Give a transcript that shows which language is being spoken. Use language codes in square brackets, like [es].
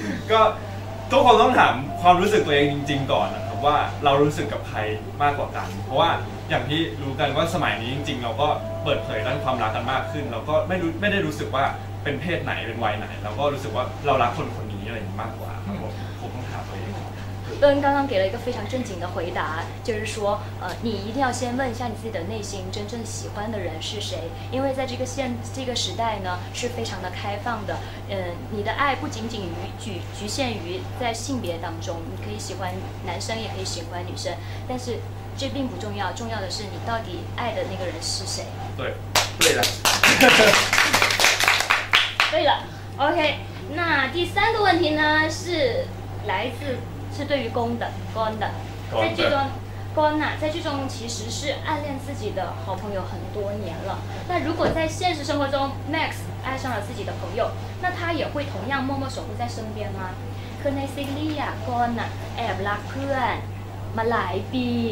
[th] ก็ทุกคนต้องถามความรู้สึกตัวเองจริงๆก่อนนะครับว่าเรารู้สึกกับใครมากกว่ากันเพราะว่าอย่างที่รู้กันว่าสมัยนี้จริงๆเราก็เปิดเผยเรื่องความรักกันมากขึ้นเราก็ไม่ได้รู้สึกว่าเป็นเพศไหนเป็นวัยไหนเราก็รู้สึกว่าเรารักคนคนนี้อะไรอย่างนี้มากกว่าผมต้องถามตัวเอง [zh] เอิญ刚刚给了一个非常正经的回答就是说你一定要先问一下你自己的内心真正喜欢的人是谁因为在这个时代呢是非常的开放的你的爱不仅仅局限于在性别当中你可以喜欢男生也可以喜欢女生但是这并不重要重要的是你到底爱的那个人是谁对了 OK 那第三个问题呢是来自是对于公的公的在剧中公呐、啊、在剧中其实是暗恋自己的好朋友很多年了那如果在现实生活中 Max 爱上了自己的朋友那他也会同样默默守护在身边吗 [th] คือในซีรีส์อ่ะกอนอ่ะแอบรักเพื่อนมาหลายปี